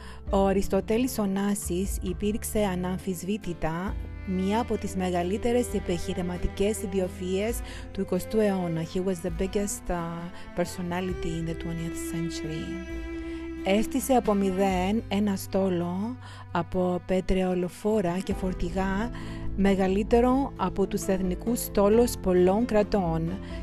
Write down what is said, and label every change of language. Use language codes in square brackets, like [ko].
[el] Ο Αριστοτέλης Ονάσης υπήρξε αναμφισβήτητα μία από τις μεγαλύτερες επιχειρηματικές ιδιοφυΐες του 20ου αιώνα. [en] He was the biggest personality in the 20th century. [el] Έστησε από μηδέν ένα στόλο από πετρεολοφόρα και φορτηγά μεγαλύτερο από τους εθνικούς στόλους πολλών κρατών.